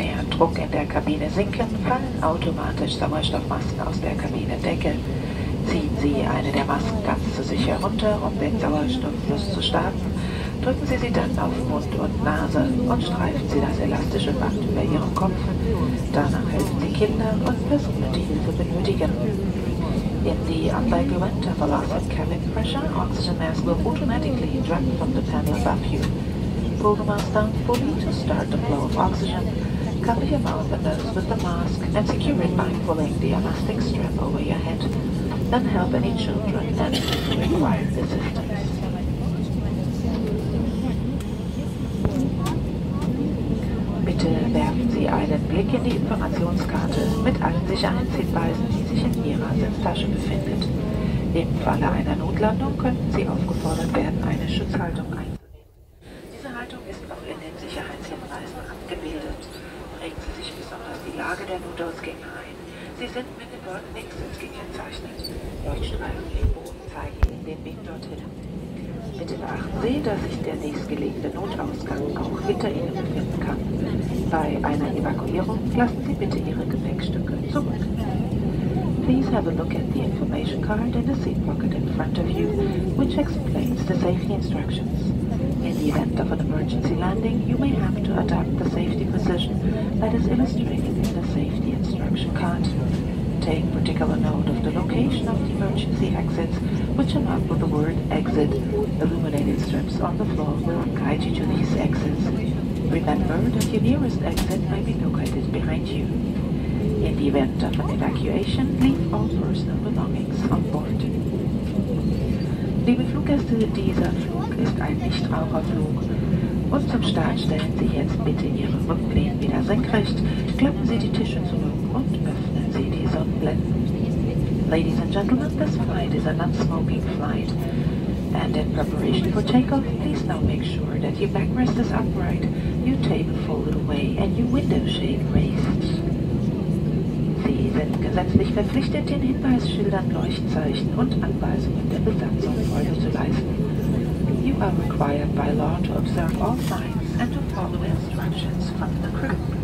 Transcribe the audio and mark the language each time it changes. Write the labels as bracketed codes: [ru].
[de] Druck in der Kabine sinken, fallen automatisch Sauerstoffmasken aus der Kabinendecke. Ziehen Sie eine der Masken ganz zu sich herunter, um den Sauerstofffluss zu starten. Drücken Sie sie dann auf Mund und Nase und streifen Sie das elastische Band über Ihrem Kopf. Danach helfen Sie Kinder und Personen, die Hilfe benötigen. [en] In the unlikely event of a loss of cabin pressure, oxygen masks will automatically drop from the panel above you. Pull the mask down fully to start the flow of oxygen. Cover your mouth and nose with the mask and secure it by pulling the elastic strap over your head. Then help any children and people who require assistance. [de] Bitte werfen Sie einen Blick in die Informationskarte mit allen Sicherheitshinweisen, die sich in Ihrer Sitztasche befindet. Im Falle einer Notlandung könnten Sie aufgefordert werden, eine Schutzhaltung einzunehmen. Diese Haltung ist auch in den Sicherheitshinweisen abgebildet. Regen Sie sich besonders die Lage der Notausgänge ein. Sie sind mit dem Wort Exit gekennzeichnet. Leuchtstreifen im Boden zeigen Ihnen den Weg dorthin. Bitte beachten Sie, dass sich der nächstgelegene Notausgang auch hinter Ihnen befinden kann. Bei einer Evakuierung lassen Sie bitte Ihre Gepäckstücke zurück. [en] Please have a look at the information card in the seat pocket in front of you, which explains the safety instructions. In the event of an emergency landing, you may have to adapt the safety position that is illustrated in the safety instruction card. Take particular note of the location of the emergency exits, which are marked with the word exit. Illuminated strips on the floor will guide you to these exits. Remember that your nearest exit may be located behind you. In the event of an evacuation, leave all personal belongings on board. [de] Liebe Fluggäste, dieser Flug ist ein Nichtraucherflug. Und zum Start stellen Sie jetzt bitte Ihre Rücklehnen wieder senkrecht, klappen Sie die Tische zurück und öffnen Sie die Sonnenblenden. [en] Ladies and gentlemen, this flight is a non-smoking flight. And in preparation for takeoff, please now make sure that your backrest is upright, your table folded away and your window shade raised. [de] Sie sind gesetzlich verpflichtet, den Hinweisschildern, Leuchtzeichen und Anweisungen der Besatzung Folge zu leisten. [en] You are required by law to observe all signs and to follow instructions from the crew.